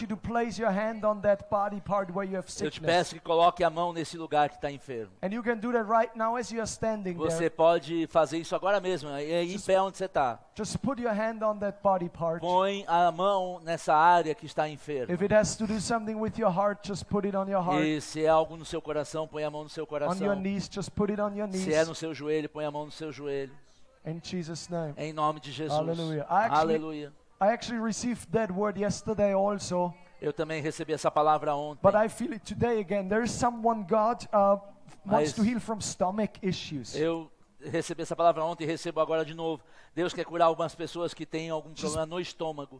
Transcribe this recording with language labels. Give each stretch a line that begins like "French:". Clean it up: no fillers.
English: you to place your hand on that body part where you have sickness.
Portuguese: Eu te peço que coloque a mão nesse lugar que está enfermo.
English: And you can do that right now as you are standing
Portuguese: você
English: there.
Portuguese: Pode fazer isso agora mesmo, em pé onde você está.
English: Just put your hand on that body part.
Portuguese: Põe a mão nessa área que está enferma.
English: If it has to do something with your heart, just put it on your heart.
Portuguese: E se é algo no seu coração, põe a mão no seu coração.
English: On your knees, just put it on your knees.
Portuguese: Se é no seu joelho, põe a mão no seu joelho.
English: In Jesus name.
Portuguese: Em nome de Jesus. Aleluia. Aleluia.
English: I actually received that word yesterday also.
Portuguese: Eu também recebi essa palavra ontem.
English: But I feel it today again. There is someone God wants to heal from stomach issues.
Portuguese: Eu recebi essa palavra ontem e recebo agora de novo. Deus quer curar algumas pessoas que têm algum problema no estômago.